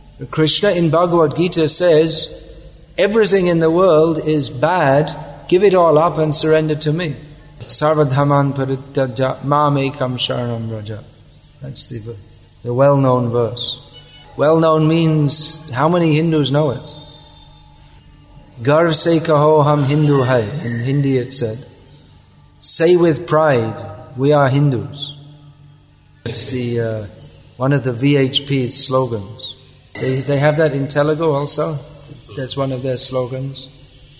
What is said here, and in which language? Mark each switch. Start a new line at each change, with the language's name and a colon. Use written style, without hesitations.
English: Krishna in Bhagavad Gita says, everything in the world is bad. Give it all up and surrender to me.
Sanskrit: Sarvadhaman parityaja mamekam sharanam raja.
English: That's the well-known verse. Well-known means, how many Hindus know it?
Hindi: गर्व से कहो हम हिन्दू है.
English: In Hindi it said, say with pride, we are Hindus. It's one of the VHP's slogans. They have that in Telugu also? That's one of their slogans?